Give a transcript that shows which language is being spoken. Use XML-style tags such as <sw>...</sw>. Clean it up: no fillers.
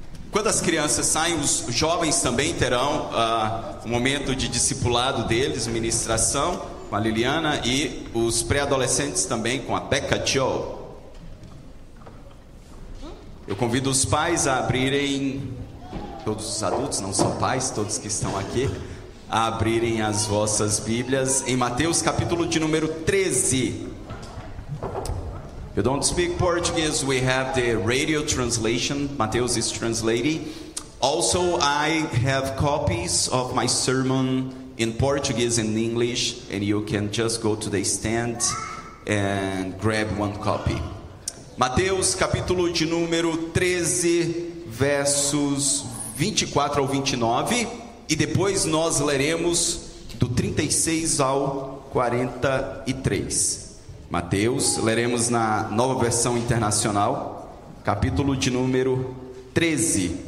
<pt>Quando as crianças saem, os jovens também terão um momento de discipulado deles, ministração com a Liliana, e os pré-adolescentes também com a Becca Cho. Eu convido os pais a abrirem, todos os adultos, não só pais, todos que estão aqui, a abrirem as vossas Bíblias em Mateus capítulo de número 13.</pt> <en>If you don't speak Portuguese, we have the radio translation. Mateus is translating. Also, I have copies of my sermon in Portuguese and English, and you can just go to the stand and grab one copy.</en> <pt>Mateus, capítulo de número 13, versos 24 ao 29, e depois nós leremos do 36 ao 43. Mateus, leremos na nova versão internacional, capítulo de número 13.</pt>